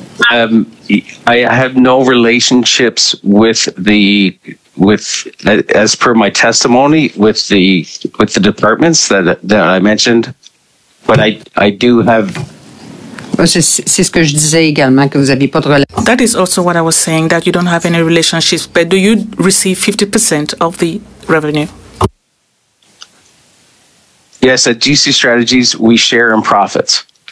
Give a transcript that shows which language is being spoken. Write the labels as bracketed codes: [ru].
[en] I have no relationships as per my testimony with the departments that I mentioned, but I do have. [fr] C'est ce que je disais également, que vous n'aviez pas de relation. [en] That is also what I was saying, that you don't have any relationships, but do you receive 50% of the revenue? Yes, at GC Strategies, we share in profits.